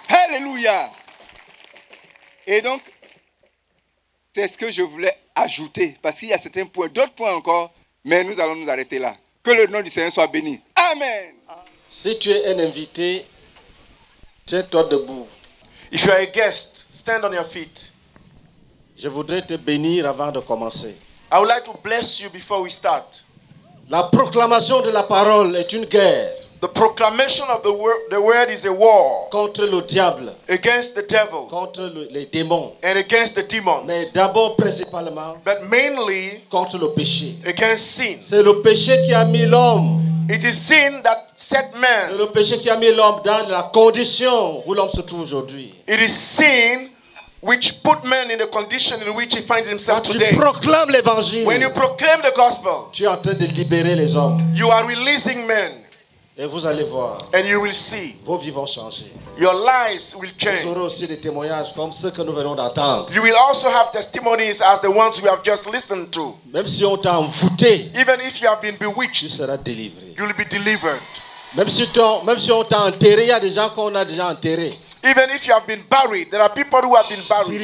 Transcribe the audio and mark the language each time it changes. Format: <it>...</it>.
<fr>Alléluia. Et donc, c'est ce que je voulais ajouter. Parce qu'il y a certains points, d'autres points encore, mais nous allons nous arrêter là. Que le nom du Seigneur soit béni. Amen. Si tu es un invité, tiens-toi debout.</fr> <en>If you are a guest, stand on your feet.</en> <fr>Je voudrais te bénir avant de commencer.</fr> <en>I would like to bless you before we start.</en> <fr>La proclamation de la parole est une guerre.</fr> <en>The proclamation of the word is a war.</en> <fr>Contre le diable.</fr> <en>Against the devil.</en> <fr>Contre les démons.</fr> <en>And against the demons.</en> <fr>Mais d'abord principalement.</fr> <en>But mainly.</en> <fr>Contre le péché.</fr> <en>Against sin.</en> <fr>C'est le péché qui a mis l'homme.</fr> <en>It is sin that set man.</en> <fr>C'est le péché qui a mis l'homme dans la condition où l'homme se trouve aujourd'hui.</fr> <en>It is sin which put man in the condition in which he finds himself</en> <fr>quand</fr> <en>today.</en> <fr>Tu proclames l'évangile,</fr> <en>when you proclaim the gospel,</en> <fr>tu es en train de libérer les hommes.</fr> <en>You are releasing men.</en> <fr>Et vous allez voir,</fr> <en>and you will see,</en> <fr>vos vies vont changer.</fr> <en>Your lives will change.</en> <fr>Vous aurez aussi des témoignages comme ceux que nous venons d'entendre.</fr> <en>You will also have testimonies as the ones we have just listened to.</en> <fr>Même si on t'a envoûté,</fr> <en>even if you have been bewitched,</en> <fr>tu seras délivré.</fr> <en>You will be delivered.</en> <fr>Même si on t'a enterré, il y a des gens qu'on a déjà enterrés.</fr> <en>Even if you have been buried, there are people who have been buried.</en>